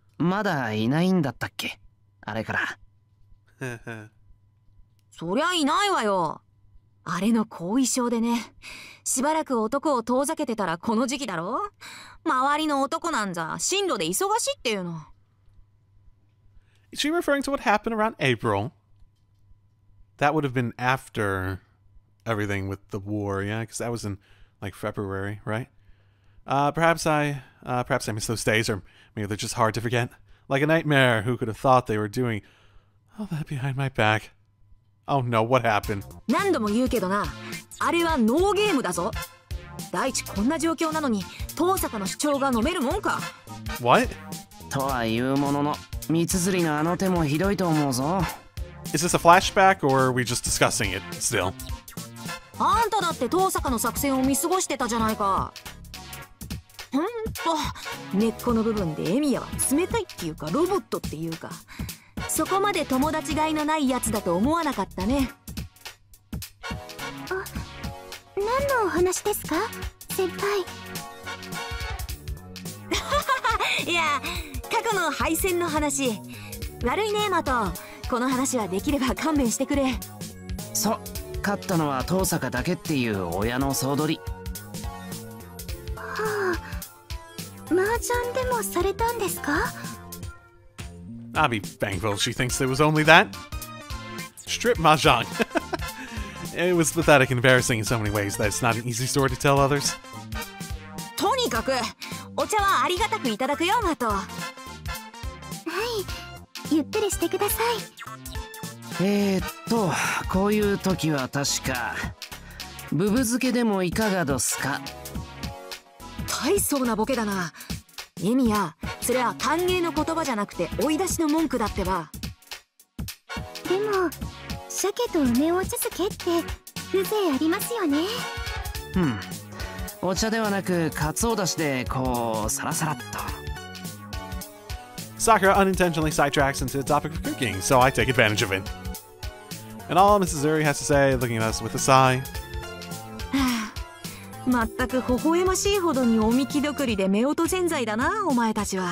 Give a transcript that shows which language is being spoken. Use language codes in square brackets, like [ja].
[ja] まだいないんだったっけ、あれから。そりゃいないわよ。あれの後遺症でね、しばらく男を遠ざけてたらこの時期だろ。周りの男なんざ進路で忙しいっていうの。 [en] Is she referring to what happened around April? That would have been after everything with the war, yeah? Because that was in like February, right? Perhaps I miss those days, or maybe they're just hard to forget. Like a nightmare, who could have thought they were doing all that behind my back? Oh no, what happened? [ja] 何度も言うけどな、あれはノーゲームだぞ。第一、こんな状況なのに、遠坂の主張が飲めるもんか。 [en] What? [ja] とは言うものの、三つ釣りのあの手もひどいと思うぞ。 [en] Is this a flashback, or are we just discussing it still? [ja] あんただって遠坂の作戦を見過ごしてたじゃないか。ほんと、根っこの部分でエミヤは冷たいっていうかロボットっていうか、そこまで友達がいのないやつだと思わなかったね。あ、何のお話ですか、先輩。いや、過去の敗戦の話。悪いね、マト。この話はできれば勘弁してくれ。そう、勝ったのは遠坂だけっていう親の総取り。はあ、麻雀でもされたんですか？ [en] I'll be thankful she thinks there was only that. Strip mahjong. It was pathetic and embarrassing in so many ways that it's not an easy story to tell others. [ja] とにかく、お茶はありがたくいただくよ、マト。はい、ゆっくりしてください。こういう時は確かブブ漬けでもいかがどすか。大層なボケだな、エミヤ。それは歓迎の言葉じゃなくて追い出しの文句だってば。でも鮭と梅お茶漬けって風情ありますよね。うん、お茶ではなくカツオだしでこうサラサラっと。 [en] Sakura unintentionally sidetracks into the topic of cooking, so I take advantage of it. And all Mrs. Uri has to say, looking at us with a sigh. [ja] まったく微笑ましいほどにおみきどくりで目音ぜんざいだな、お前たちは。